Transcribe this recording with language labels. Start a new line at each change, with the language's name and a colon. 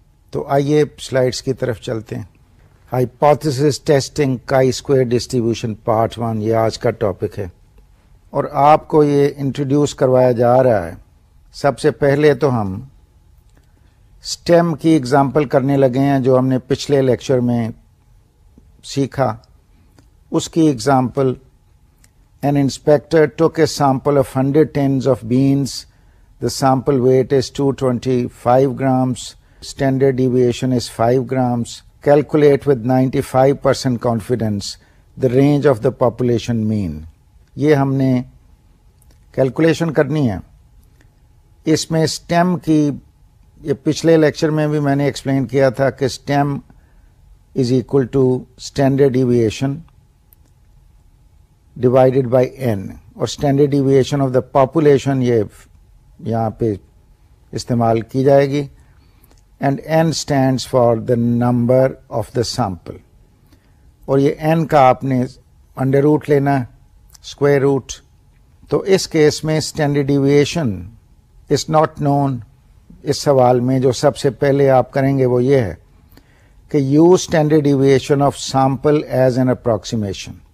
Urdu: تو آئیے سلائڈس کی طرف چلتے ہیں. ہائپوتھیسس ٹیسٹنگ کائی اسکوائر ڈسٹریبیوشن پارٹ 1, یہ آج کا ٹاپک ہے, اور آپ کو یہ انٹروڈیوس کروایا جا رہا ہے. سب سے پہلے تو ہم اسٹیم کی اگزامپل کرنے لگے ہیں, جو ہم نے پچھلے لیکچر میں سیکھا. اس کی
English: Example, an inspector took a sample of 100 tins of beans, the sample weight is 225 grams, standard deviation is 5 grams. Calculate with 95% confidence the range of the population mean.
Urdu: یہ ہم نے کیلکولیشن کرنی ہے. اس میں اسٹیم کی, یہ پچھلے لیکچر میں بھی میں نے ایکسپلین کیا تھا کہ
English: stem is equal to standard deviation divided by n,
Urdu: اور
English: standard deviation of the population
Urdu: یہاں پہ استعمال کی جائے گی.
English: And N stands for the number of the sample.
Urdu: اور یہ N کا آپ نے انڈر روٹ لینا ہے, اسکوائر روٹ. تو اس کیس میں
English: Standard deviation is not known.
Urdu: اس سوال میں جو سب سے پہلے آپ کریں گے وہ یہ ہے کہ
English: Use standard deviation of sample as an approximation.